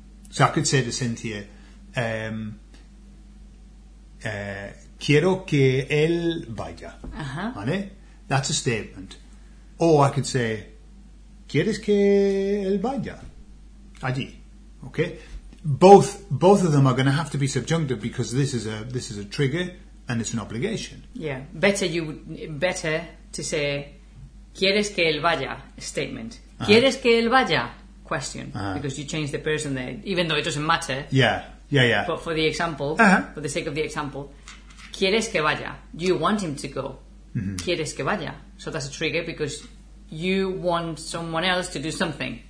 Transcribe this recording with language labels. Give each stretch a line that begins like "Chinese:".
English: So I could say to Cynthia,
Spanish: quiero que él vaya. Uh-huh.
English: ¿Vale? That's a statement. Or I could say,
Spanish: ¿quieres que él vaya? Allí.
English: Okay? Both of them are going to have to be subjunctive because this is a trigger and it's an obligation. Yeah, better to say,
Spanish: ¿quieres que él vaya? Statement. Uh-huh. ¿Quieres que él vaya? Question. Uh-huh.
English: Because you change the person there, even though it doesn't matter. Yeah, yeah, yeah. But for the example, uh-huh. for the sake of the example,
Spanish: ¿quieres que vaya?
English: You want him to go. Mm-hmm.
Spanish: ¿Quieres que vaya?
English: So that's a trigger because you want someone else to do something.